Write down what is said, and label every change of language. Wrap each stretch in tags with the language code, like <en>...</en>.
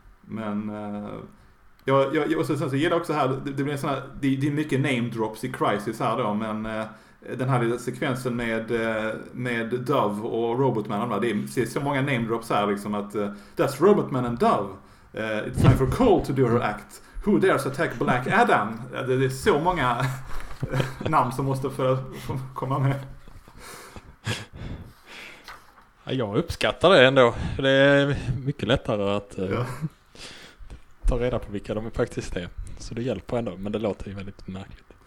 <sv>Men jag gillar också här, det blir såna, det är mycket name drops i Crisis här då, men den här lilla sekvensen med Dove och Robotman, det är så många name drops här liksom, att</sv> <en>that's Robotman and Dove. It's time for Cole to do her act. Who dares attack Black Adam?</en> <sv>Det är så många namn som måste få komma med. Jag uppskattar det ändå. Det är mycket lättare att ta reda på vilka de faktiskt är. Så det hjälper ändå, men det låter ju väldigt märkligt.</sv>